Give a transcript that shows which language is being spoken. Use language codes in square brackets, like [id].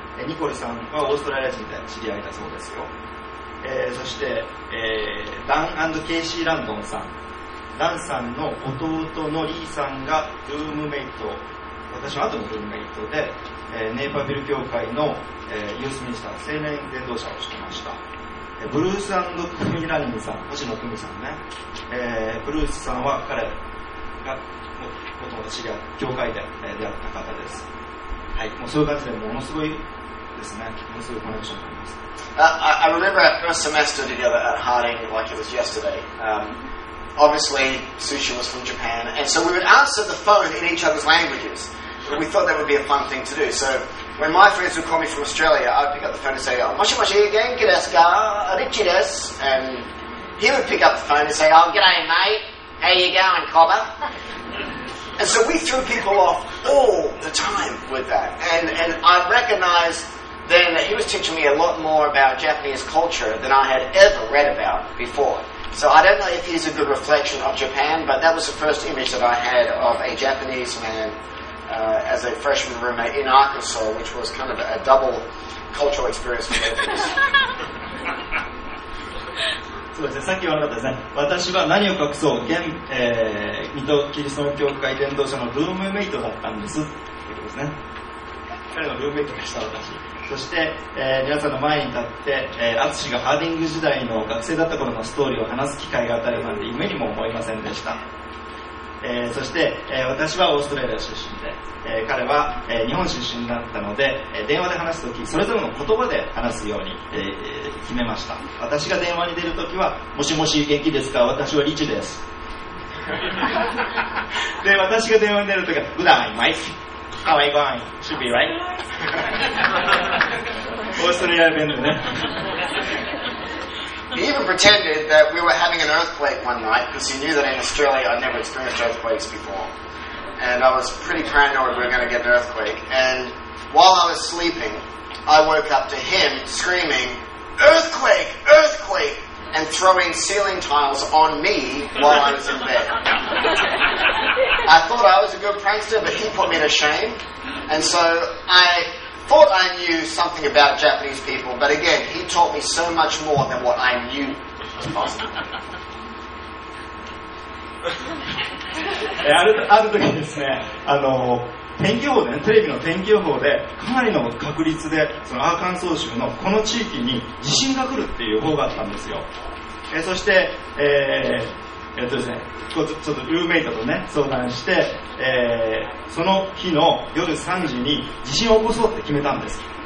[ja] ニコルさんはオーストラリア人で知り合いだそうですよ。そして、ダン&ケイシー・ランドンさん、ダンさんの弟のリーさんがルームメイト、私の後のルームメイトで、ネイパービル教会の、ユースミニスター青年伝道者をしてました。ブルース&クミラニムさん、星野クミさんね、ブルースさんは彼がもともと知り合い教会で出会った方です。はい、もうそういう感じでものすごいですね、ものすごいコネクションがあります。 [en] I remember our first semester together at Harding like it was yesterday. Obviously, Sushi was from Japan, and so we would answer the phone in each other's languages. And we thought that would be a fun thing to do. So when my friends would call me from Australia, I'd pick up the phone and say, [ja] "Moshi moshi, genki desu ka? Richie desu." [en] And he would pick up the phone and say, "Oh, g'day mate, how you going, Cobber?" And so we threw people off all the time with that. And I recognized then that he was teaching me a lot more about Japanese culture than I had ever read about before. So I don't know if he's a good reflection of Japan, but that was the first image that I had of a Japanese man as a freshman roommate in Arkansas, which was kind of a double cultural experience for both of us. [ja] そうですね、さっき言われたですね、私は何を隠そう、現、ミトキリストの教会伝道者のルームメイトだったんですってことですね。彼のルームメイトでした、私。そして、皆さんの前に立って、アツシがハーディング時代の学生だった頃のストーリーを話す機会が与えるなんて夢にも思いませんでした。そして、私はオーストラリア出身で、彼は、日本出身だったので、電話で話すときそれぞれの言葉で話すように、決めました。私が電話に出るときはもしもし元気ですか、私はリチですで、私が電話に出るときは [en] Good night, Mike. How are you going? Should be right? [ja] オーストラリア弁でね。 [en] He even pretended that we were having an earthquake one night because he knew that in Australia I'd never experienced earthquakes before. And I was pretty paranoid we were going to get an earthquake. And while I was sleeping, I woke up to him screaming, "Earthquake! Earthquake!" and throwing ceiling tiles on me while I was in bed. I thought I was a good prankster, but he put me to shame. And so I thought I knew something about Japanese people, but again, he taught me so much more than what I knew was possible. [ja] ある時ですね、天気予報でね、テレビの天気予報でかなりの確率でそのアーカンソー州のこの地域に地震が来るっていう予報があったんですよ。そして、ちょっとルーメイトとね相談して、その日の夜3時に地震を起こそうって決めたんです。